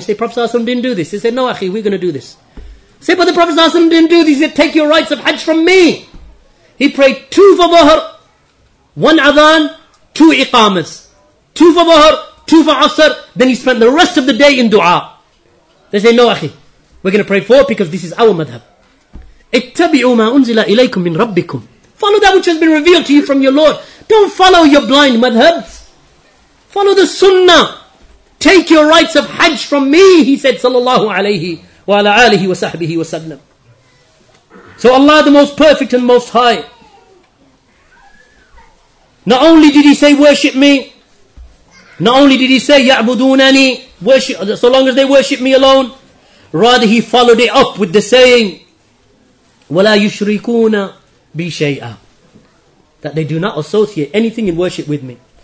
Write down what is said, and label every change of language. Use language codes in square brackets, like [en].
[en] We say, Prophet ﷺ didn't do this. He said, no, akhi, we're going to do this. We say, but the Prophet ﷺ didn't do this. He said, take your rites of Hajj from me. He prayed two for Dhuhr, one Adhan, two Iqamas. Two for Dhuhr, two for Asr. Then he spent the rest of the day in dua. They say, no, akhi, we're going to pray four because this is our madhab. [ar] اتبعوا ما أنزل إليكم من ربكم. [en] Follow that which has been revealed to you from your Lord. Don't follow your blind madhabs. Follow the sunnah. Take your rites of Hajj from me, he said, [ar] sallallahu alayhi wa ala alihi wa sahbihi wa sallam. [en] So Allah, the most perfect and most high, not only did he say, worship me, not only did he say, [ar] ya'budunani, [en] worship, so long as they worship me alone, rather he followed it up with the saying, [ar] wala yushrikuna bi shay'a, [en] that they do not associate anything in worship with me.